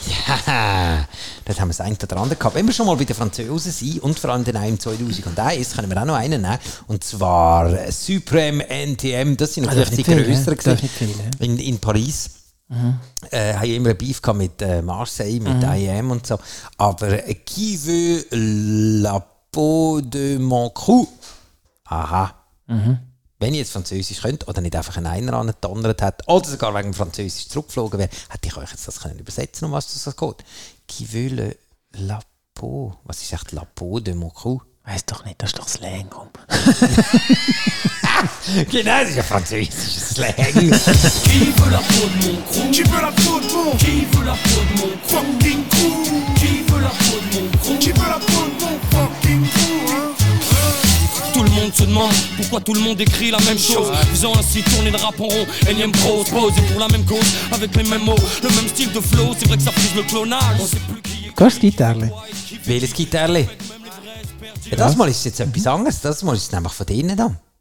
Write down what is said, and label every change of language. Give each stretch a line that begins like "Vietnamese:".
German: Ja, das haben wir das eine oder andere gehabt. Wenn wir schon mal bei den Franzosen sind und vor allem dann auch im 2001, können wir auch noch einen nehmen. Und zwar Supreme NTM. Das sind natürlich die grösseren gewesen. In Paris. Habe ich immer ein Beef gehabt mit Marseille, mit IAM und so.
French: Aber qui veut la peau de mon cou? Aha.
German: Wenn ich jetzt Französisch könnte oder nicht einfach einen Einer angetonnert hätte oder sogar wegen Französisch zurückgeflogen wäre, hätte ich euch jetzt das können übersetzen, um was das geht.
French: Qui veut la peau?
German: Was ist echt
French: la peau de mon cou?
German: Weiß doch nicht, das ist doch Slang. Genau, das ist ja französisches Slang.
French: Qui veut la peau de mon cou? Qui veut la peau de mon cou? Qui veut la peau de mon cou? Fucking cou! Qui veut la peau de mon cou? Qui veut la peau de mon fucking cou? Tout le monde se demande pourquoi tout le monde écrit la même chose, faisant ainsi tourner le rap en rond. Énième prose, posé pour la même cause, avec les mêmes mots, le même style de flow. C'est vrai que ça frise le clonage. On sait plus qui est. Qu'est-ce qui t'arrive?
German: Welches Gitarre? Ja, das mal ist jetzt etwas anderes, das mal ist es nämlich von denen da.